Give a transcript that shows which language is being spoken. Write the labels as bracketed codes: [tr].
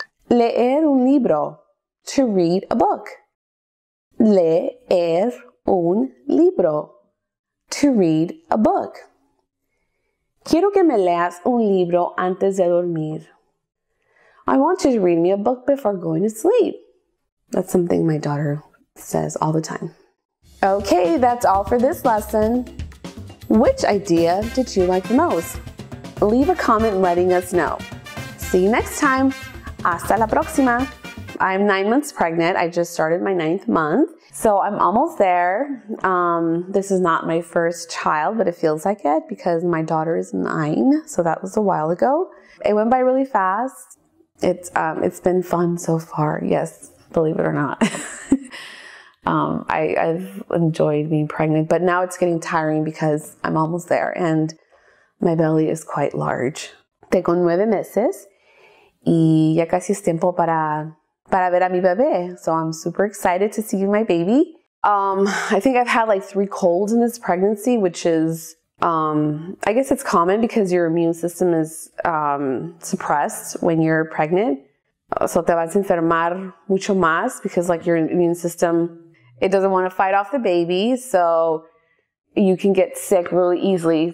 [es] Leer un libro, [en] to read a book. [es] Leer un libro, [en] to read a book. [es] Quiero que me leas un libro antes de dormir. [en] I want you to read me a book before going to sleep. That's something my daughter says all the time. Okay, that's all for this lesson. Which idea did you like the most? Leave a comment letting us know. See you next time. [es] Hasta la próxima. [en] I'm 9 months pregnant. I just started my 9th month, so I'm almost there. This is not my first child, but it feels like it because my daughter is 9, so that was a while ago. It went by really fast. It's been fun so far. Yes, believe it or not. I've enjoyed being pregnant, but now it's getting tiring because I'm almost there and my belly is quite large. [es] Tengo 9 meses y ya casi es tiempo para ver a mi bebé. [en] So I'm super excited to see my baby. I think I've had like 3 colds in this pregnancy, which is, I guess it's common because your immune system is suppressed when you're pregnant. So [es] te vas a enfermar mucho más [en] because like your immune system, it doesn't want to fight off the baby, so you can get sick really easily.